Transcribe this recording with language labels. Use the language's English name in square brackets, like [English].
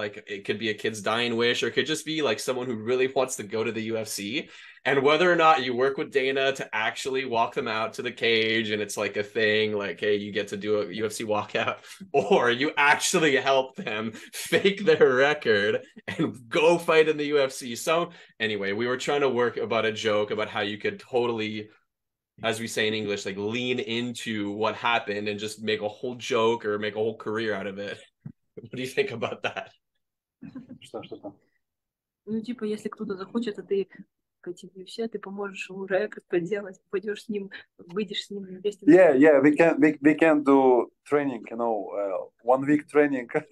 [English] Like it could be a kid's dying wish, or it could just be like someone who really wants to go to the UFC, and whether or not you work with Dana to actually walk them out to the cage, and it's like a thing, like, hey, you get to do a UFC walkout, or you actually help them fake their record and go fight in the UFC. So anyway, we were trying to work about a joke about how you could totally, as we say in English, like lean into what happened and just make a whole joke or make a whole career out of it. What do you think about that? [Russian] Ну, типа, если кто-то захочет, а ты хотим вообще, ты поможешь ему рекорд поделать, пойдешь с ним, выйдешь с ним вместе. [English] Yeah, yeah, we can do training, you know, 1 week training.